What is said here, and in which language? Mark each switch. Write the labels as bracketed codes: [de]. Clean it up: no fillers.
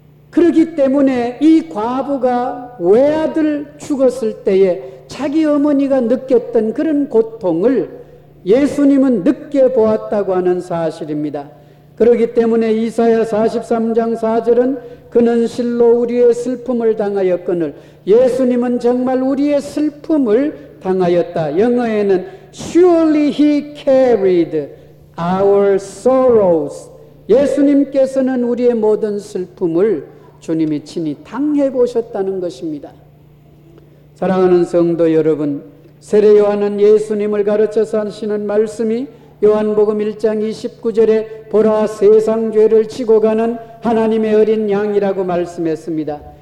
[ko] 그렇기 때문에 이 과부가 외아들 죽었을 때에 자기 어머니가 느꼈던 그런 고통을 예수님은 늦게 보았다고 하는 사실입니다. 그렇기 때문에 이사야 43장 4절은 그는 실로 우리의 슬픔을 당하였거늘 예수님은 정말 우리의 슬픔을 당하였다. 영어에는 [en] Surely he carried our sorrows. [ko] 예수님께서는 우리의 모든 슬픔을 주님이 친히 당해보셨다는 것입니다. 사랑하는 성도 여러분, 세례 요한은 예수님을 가르쳐서 하시는 말씀이 요한복음 1장 29절에 보라 세상 죄를 지고 가는 하나님의 어린 양이라고 말씀했습니다.